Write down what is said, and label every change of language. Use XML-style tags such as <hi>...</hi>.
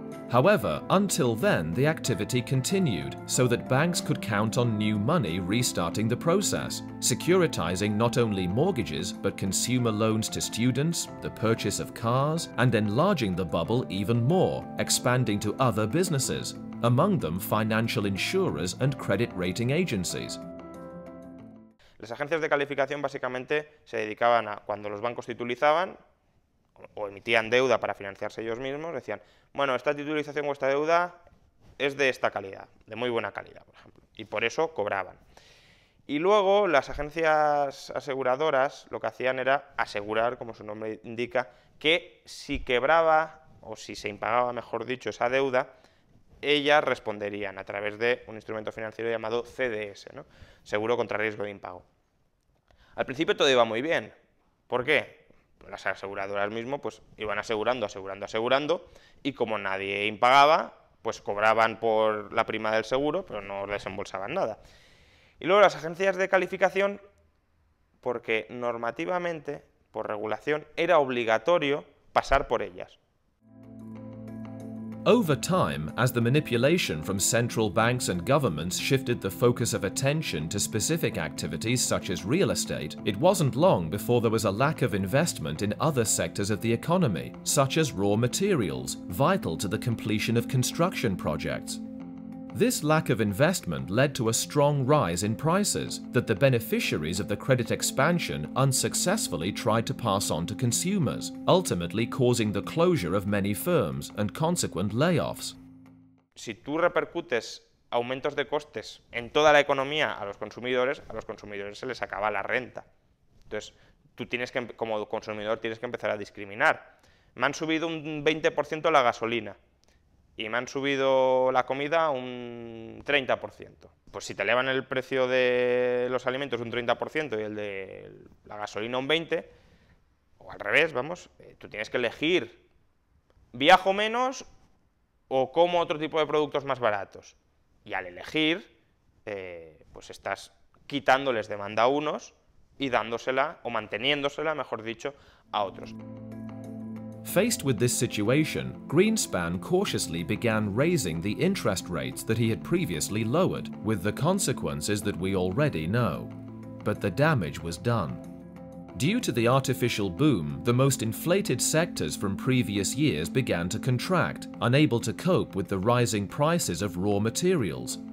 <en>However, until then, the activity continued so that banks could count on new money restarting the process, securitizing not only mortgages, but consumer loans to students, the purchase of cars, and enlarging the bubble even more, expanding to other businesses, among them financial insurers and credit rating agencies.</en> <es>Las agencias de calificación básicamente se dedicaban a cuando los bancos titulizaban o emitían deuda para financiarse ellos mismos, decían, bueno, esta titulización o esta deuda es de esta calidad, de muy buena calidad, por ejemplo, y por eso cobraban. Y luego las agencias aseguradoras lo que hacían era asegurar, como su nombre indica, que si quebraba o si se impagaba, mejor dicho, esa deuda, ellas responderían a través de un instrumento financiero llamado CDS, ¿no? Seguro contra riesgo de impago. Al principio todo iba muy bien. ¿Por qué? Las aseguradoras mismo pues iban asegurando, y como nadie impagaba, pues cobraban por la prima del seguro, pero no desembolsaban nada. Y luego las agencias de calificación, porque normativamente, por regulación, era obligatorio pasar por ellas.</es> <en>Over time, as the manipulation from central banks and governments shifted the focus of attention to specific activities such as real estate, it wasn't long before there was a lack of investment in other sectors of the economy, such as raw materials, vital to the completion of construction projects. This lack of investment led to a strong rise in prices that the beneficiaries of the credit expansion unsuccessfully tried to pass on to consumers, ultimately causing the closure of many firms and consequent layoffs.</en> <es>Si tú repercutes aumentos de costes en toda la economía a los consumidores se les acaba la renta. Entonces, tú tienes que, como consumidor, tienes que empezar a discriminar. Me han subido un 20% la gasolina y me han subido la comida un 30%. Pues si te elevan el precio de los alimentos un 30% y el de la gasolina un 20%, o al revés, vamos, tú tienes que elegir, ¿viajo menos o como otro tipo de productos más baratos? Y al elegir, pues estás quitándoles demanda a unos y dándosela, o manteniéndosela, mejor dicho, a otros.</es> <en>Faced with this situation, Greenspan cautiously began raising the interest rates that he had previously lowered, with the consequences that we already know. But the damage was done. Due to the artificial boom, the most inflated sectors from previous years began to contract, unable to cope with the rising prices of raw materials.</en>